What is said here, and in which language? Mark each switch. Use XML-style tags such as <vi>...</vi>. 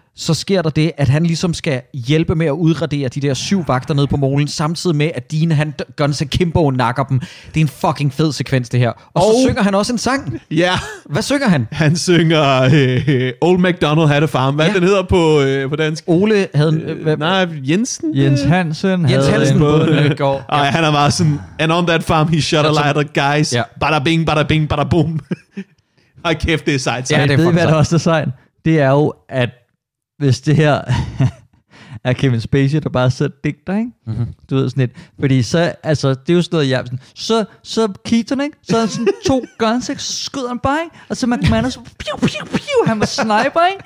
<da>så sker der det, at han ligesom skal hjælpe med at udradere de der 7 vagter ned på molen, samtidig med, at Dean, han gør en så kæmpe og nakker dem. Det er en fucking fed sekvens, det her. Og så synger han også en sang. Ja. Hvad synger han? Han synger Old MacDonald Had a Farm. Hvad den hedder på dansk? Ole havde... Jensen? Jens Hansen. Jens Hansen på den i går. Ej, han er bare sådan,</da> <en>and on that farm, he shot a lot of guys.</en> <da>Ja. Bada bing, bada bing, bada boom. Ej, kæft, det er sejt. Ja, det ved I, hvad der også er sejt? Det er jo, at hvis det her er Kevin Spacey, der bare sidder og digter, ikke? Mm-hmm. Du ved sådan lidt. Fordi så, altså, det er jo sådan noget, jeg sådan, så Keaton, ikke? Så sådan to guns, ikke? Så skyder han bare, ikke? Og så McManus, piu, piu, piu, han var sniper, ikke?</da>